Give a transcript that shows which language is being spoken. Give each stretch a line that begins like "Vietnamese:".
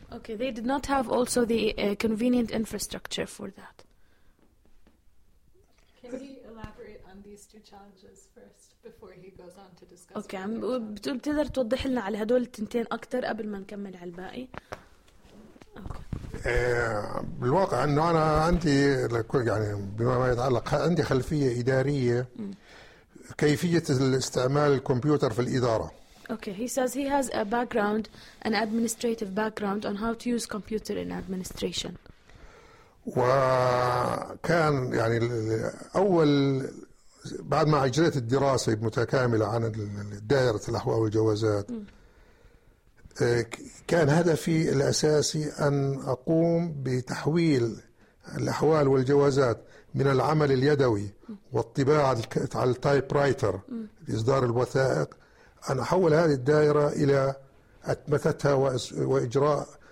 English: Okay, they did not have also the convenient infrastructure for that. Can you elaborate on these two challenges first? Before he goes on to discuss.
Arabic: Okay, بتقدر توضح لنا على هدول التنتين أكتر قبل ما نكمل على الباقي.
English: Okay.
Arabic: بالواقع إنه أنا عندي يعني بما ما يتعلق عندي خلفية إدارية كيفية الاستعمال الكمبيوتر في الإدارة.
English: Okay, he says he has a background, an administrative background on how to use computer in administration.
Arabic: وكان يعني أول بعد ما أجريت الدراسة متكاملة عن دائرة الأحوال والجوازات كان هدفي الأساسي أن أقوم بتحويل الأحوال والجوازات من العمل اليدوي والطباعة على التايب رايتر لإصدار الوثائق أن أحول هذه الدائرة إلى أتمتتها وإجراء